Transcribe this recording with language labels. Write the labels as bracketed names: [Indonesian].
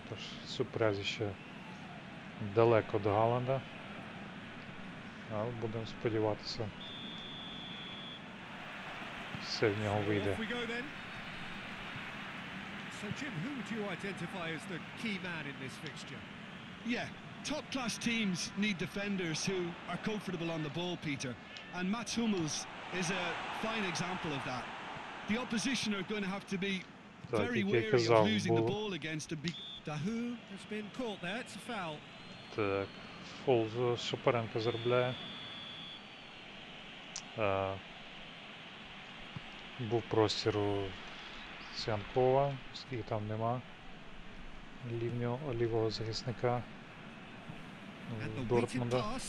[Ukrainian] Тож супрязіще далеко до Галанда. Але будемо сподіватися, все в нього вийде. [English] So Jim, who would you identify as the key man in this fixture? Yeah, top-class teams need defenders who are comfortable on the ball, Peter. And Mats Hummels is a fine example of that. The opposition are going to have to be very wary of losing the ball against a big... Даху has been caught there, it's a foul. [Ukrainian] Так, фол Шапаренко заробляє. Був простір у Цянкова, оскільки там нема лівого захисника Дортмунда.